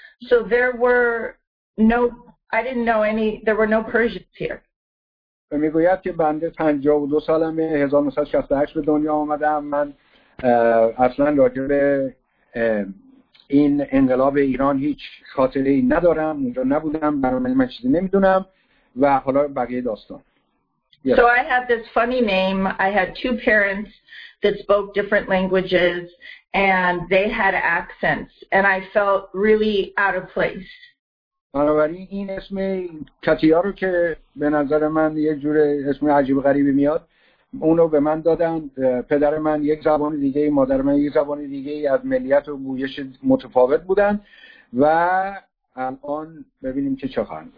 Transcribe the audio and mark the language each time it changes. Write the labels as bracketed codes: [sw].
[en] So there were no, I didn't know any, there were no Persians here. [fa] میگوید که بنده 52 سالمه، 1968 به دنیا آمدم. من اصلا راجع به این انقلاب ایران هیچ خاطره ای ندارم، اونجا نبودم، برای من چیزی نمیدونم و حالا بقیه داستان. [en] So I had this funny name. I had two parents that spoke different languages and they had accents and I felt really out of place. [fa] بنابراین این اسم کتیا رو که به نظر من یه جور اسم عجیب غریبی میاد اونو به من دادن. پدر من یک زبان دیگه، مادر من یک زبان دیگه، از ملیت و گویش متفاوت بودن و الان ببینیم چه خواهند.